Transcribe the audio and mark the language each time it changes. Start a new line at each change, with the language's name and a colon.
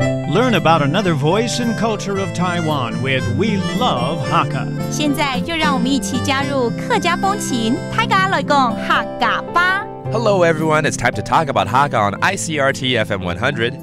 English: Learn about another voice and culture of Taiwan with We Love Hakka.
Chinese: 现在就让我们一起加入客家风情，泰嘎来讲客家吧。
English: Hello everyone, it's time to talk about Hakka on ICRT FM 100.